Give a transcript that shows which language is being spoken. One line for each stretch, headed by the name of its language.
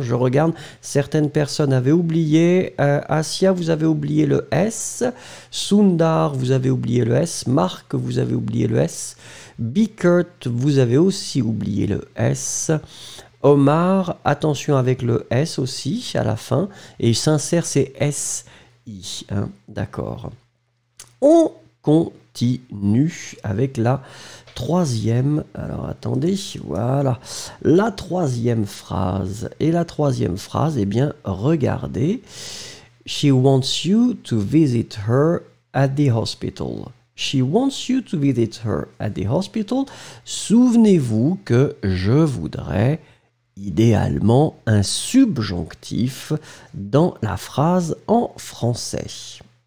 French: Je regarde, certaines personnes avaient oublié, Asia, vous avez oublié le S, Sundar, vous avez oublié le S, Marc, vous avez oublié le S, Bickert, vous avez aussi oublié le S, Omar, attention avec le S aussi, à la fin, et sincère, c'est S-I, hein, d'accord? On continue avec la troisième, alors attendez, voilà, la troisième phrase. Et la troisième phrase, eh bien, regardez.
English: She wants you to visit her at the hospital. She wants you to visit her at the hospital.
French: Souvenez-vous que je voudrais idéalement un subjonctif dans la phrase en français.